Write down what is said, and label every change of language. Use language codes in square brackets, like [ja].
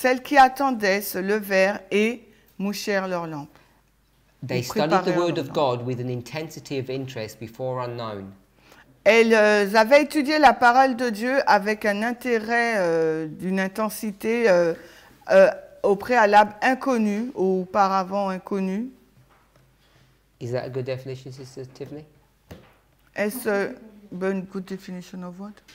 [fr] Celles qui attendaient se levèrent et mouchèrent leurs lampes. [en] They studied the word of God with an intensity of interest before unknown. [fr] Elles avaient étudié la parole de Dieu avec un intérêt d'une intensité au préalable inconnue ou auparavant inconnue. [en] Is that a good definition, Sister Tiffany? [fr] Est-ce une [en] good definition of what?